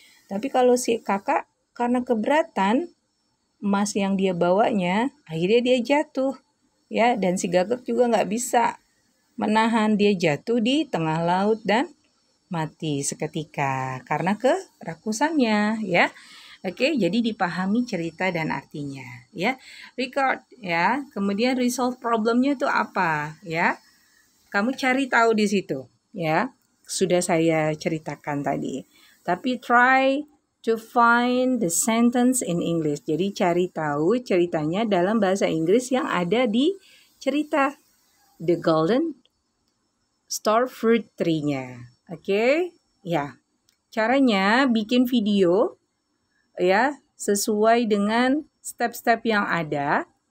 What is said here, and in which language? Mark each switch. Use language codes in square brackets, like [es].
[id] Tapi kalau si kakak karena keberatan emas yang dia bawanya, akhirnya dia jatuh, ya, dan si gagak juga nggak bisa menahan, dia jatuh di tengah laut dan mati seketika karena kerakusannya, ya. Oke, jadi dipahami cerita dan artinya, ya. Record, ya. Kemudian resolve problemnya itu apa, ya? Kamu cari tahu di situ, ya. Sudah saya ceritakan tadi. Tapi [en] try to find the sentence in English. [id] Jadi cari tahu ceritanya dalam bahasa Inggris yang ada di cerita The Golden Star Fruit Tree-nya. Oke? Okay? Ya. Yeah. Caranya bikin video, ya, yeah, sesuai dengan step-step yang ada.